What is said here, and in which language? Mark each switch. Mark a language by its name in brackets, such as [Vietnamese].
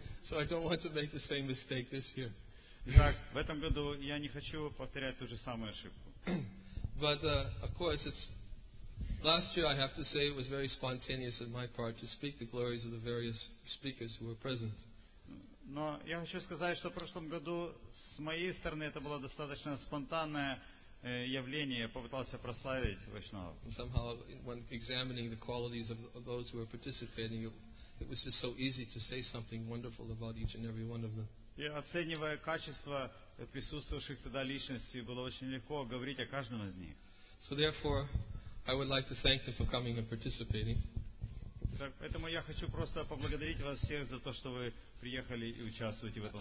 [English] So I don't want to make the same mistake this year. [Russian] Итак, в этом году я не хочу повторять ту же самую ошибку. [English] But of course, it's last year. I have to say it was very spontaneous on my part to speak the glories of the various speakers who were present. [Russian] Но я хочу сказать, что в прошлом году с моей стороны это было достаточно спонтанное явление. Я попытался прославить Вайшнава. [English] Somehow, when examining the qualities of those who were participating, it was just so easy to say something wonderful about each and every one of them. [Russian] И оценивая качество присутствующих тогда личностей, было очень легко говорить о каждом из них. [English] So therefore, I would like to thank them for coming and participating. [Russian] Поэтому я хочу просто поблагодарить вас всех за то, что вы приехали и участвуете в этом.